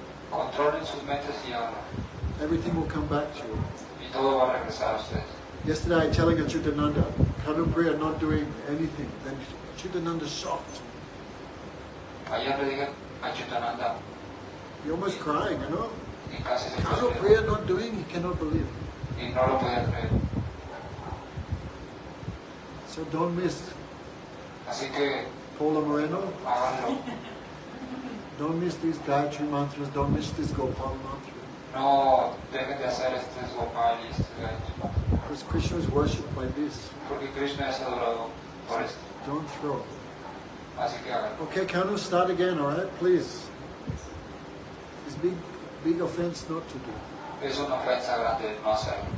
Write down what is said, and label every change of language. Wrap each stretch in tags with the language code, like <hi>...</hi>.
<es>Controlen sus mentes y ahora.</es> <en>Everything will come back to you.</en> <es>Y todo va a regresar a ustedes.</es> <en>Yesterday I telling Achyutananda, Kanupriya not doing anything. Then Achyutananda shocked.</en> <es>Ayer le dije Achyutananda.</es> <en>He almost crying, you know?</en> <es>Y casi se</es> <en>Kanupriya not doing, he cannot believe.</en> <es>Y no lo podía creer.</es> <en>So don't miss.</en> <es>Así que Paula Moreno. Háganlo.</es> <en>Don't miss these Gayatri mantras, don't miss this Gopal mantra.</en> <es>No, deben de hacer este Gopal y este Gayatri mantra.</es> <en>Because Krishna is worshipped by this.</en> <es>Porque Krishna es adorado por esto.</es> <en>Don't throw.</en> <es>Así que haga.</es> <en>Okay, Kanu, start again, all right? Please. It's big, big offense not to do.</en> <es>Es una ofensa grande no hacer.</es>